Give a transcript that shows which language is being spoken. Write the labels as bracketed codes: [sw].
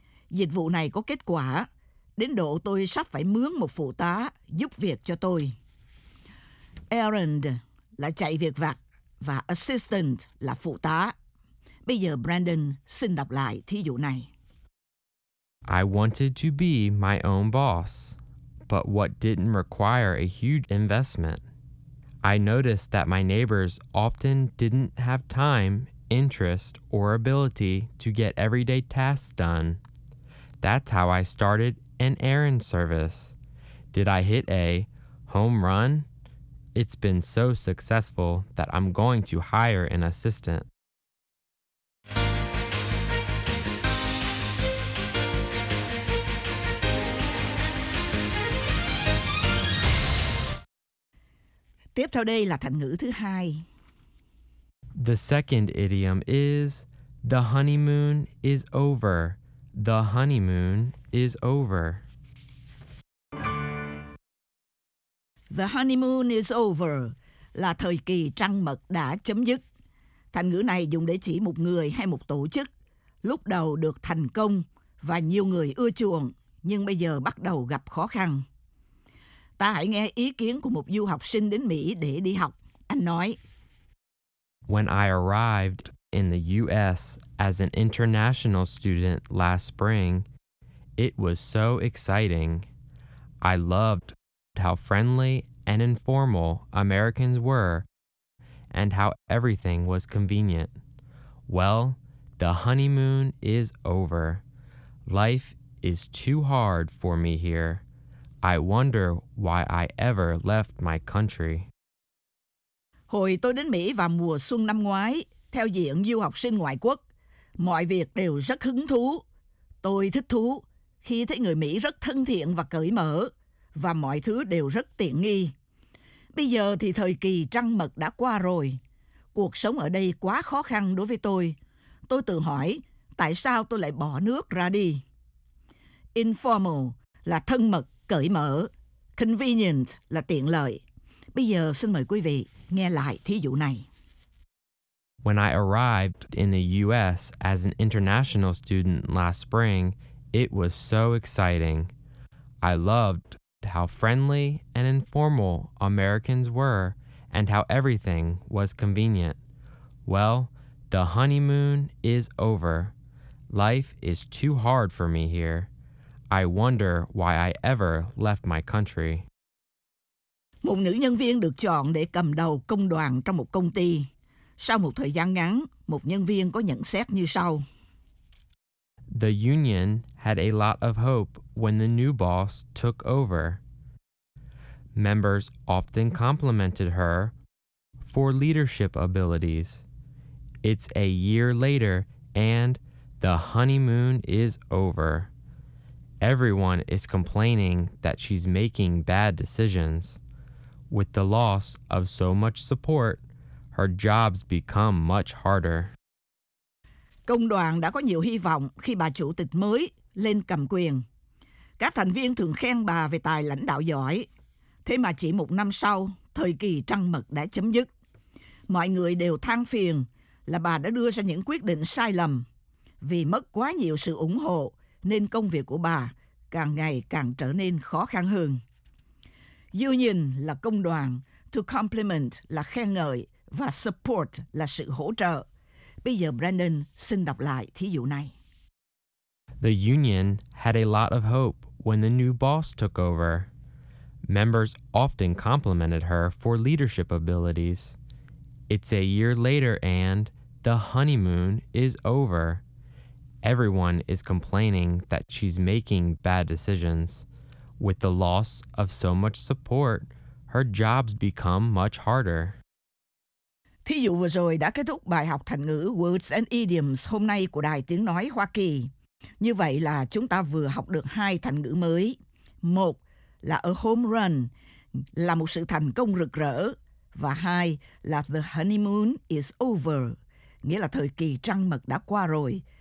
[vi] Dịch vụ này có kết quả, đến độ tôi sắp phải mướn một phụ tá giúp việc cho tôi. Errand là chạy việc vặt và assistant là phụ tá. Bây giờ Brandon xin đọc lại thí dụ này. [en] I wanted to be my own boss, but what didn't require a huge investment. I noticed that my neighbors often didn't have time, interest, or ability to get everyday tasks done. That's how I started an errand service. Did I hit a home run? It's been so successful that I'm going to hire an assistant. [vi] Tiếp theo đây là thành ngữ thứ hai. [en] The second idiom is the honeymoon is over. The honeymoon is over. The honeymoon is over [vi] là thời kỳ trăng mật đã chấm dứt. Thành ngữ này dùng để chỉ một người hay một tổ chức lúc đầu được thành công và nhiều người ưa chuộng nhưng bây giờ bắt đầu gặp khó khăn. Ta hãy nghe ý kiến của một du học sinh đến Mỹ để đi học. Anh nói: [en] When I arrived in the US as an international student last spring, it was so exciting. I loved how friendly and informal Americans were and how everything was convenient. Well, the honeymoon is over. Life is too hard for me here. I wonder why I ever left my country. [vi] Hồi tôi đến Mỹ vào mùa xuân năm ngoái, theo diện du học sinh ngoại quốc, mọi việc đều rất hứng thú. Tôi thích thú khi thấy người Mỹ rất thân thiện và cởi mở, và mọi thứ đều rất tiện nghi. Bây giờ thì thời kỳ trăng mật đã qua rồi. Cuộc sống ở đây quá khó khăn đối với tôi. Tôi tự hỏi, tại sao tôi lại bỏ nước ra đi? Informal là thân mật, cởi mở. Convenient là tiện lợi. Bây giờ xin mời quý vị nghe lại thí dụ này. [en] When I arrived in the US as an international student last spring, it was so exciting. I loved how friendly and informal Americans were and how everything was convenient. Well, the honeymoon is over. Life is too hard for me here. I wonder why I ever left my country. [vi] Một nữ nhân viên được chọn để cầm đầu công đoàn trong một công ty. Sau một thời gian ngắn, một nhân viên có nhận xét như sau. [en] The union had a lot of hope when the new boss took over. Members often complimented her for leadership abilities. It's a year later and the honeymoon is over. Everyone is complaining that she's making bad decisions. With the loss of so much support, her job's become much harder. [vi] Công đoàn đã có nhiều hy vọng khi bà chủ tịch mới lên cầm quyền. Các thành viên thường khen bà về tài lãnh đạo giỏi. Thế mà chỉ một năm sau, thời kỳ trăng mật đã chấm dứt. Mọi người đều than phiền là bà đã đưa ra những quyết định sai lầm. Vì mất quá nhiều sự ủng hộ, nên công việc của bà càng ngày càng trở nên khó khăn hơn. Union là công đoàn, to compliment là khen ngợi và support là sự hỗ trợ. Bây giờ Brandon xin đọc lại thí dụ này. [en] The union had a lot of hope when the new boss took over. Members often complimented her for leadership abilities. It's a year later and the honeymoon is over. Everyone is complaining that she's making bad decisions. With the loss of so much support, her job's become much harder. [vi] Thí dụ vừa rồi đã kết thúc bài học thành ngữ Words and Idioms hôm nay của Đài Tiếng Nói Hoa Kỳ. Như vậy là chúng ta vừa học được hai thành ngữ mới. Một là [en] a home run, [vi] là một sự thành công rực rỡ. Và hai là [en] the honeymoon is over, [vi] nghĩa là thời kỳ trăng mật đã qua rồi.